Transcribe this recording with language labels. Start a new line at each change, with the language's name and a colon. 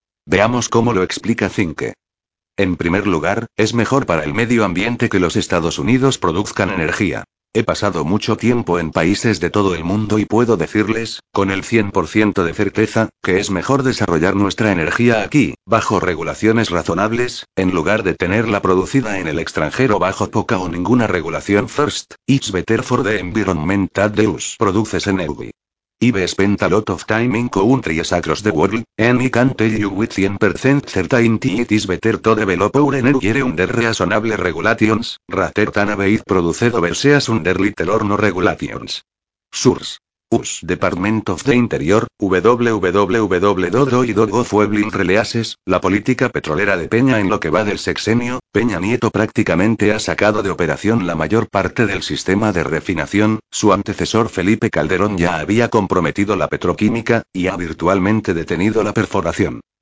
Spanish: Veamos cómo lo explica Zinke. En primer lugar, es mejor para el medio ambiente que los Estados Unidos produzcan energía. He pasado mucho tiempo en países de todo el mundo y puedo decirles, con el 100% de certeza, que es mejor desarrollar nuestra energía aquí, bajo regulaciones razonables, en lugar de tenerla producida en el extranjero bajo poca o ninguna regulación.
English: First, it's better for the environment that the US produces energy. I've spent a lot of time in countries across the world, and I can tell you with 100% certainty it is better to develop our energy under reasonable regulations, rather than have it produced overseas under little or no regulations. Source.
Spanish: US Department of the Interior, www.doi.gov/releases, la política petrolera de Peña en lo que va del sexenio, Peña Nieto prácticamente ha sacado de operación la mayor parte del sistema de refinación, su antecesor Felipe Calderón ya había comprometido la petroquímica, y ha virtualmente detenido la perforación.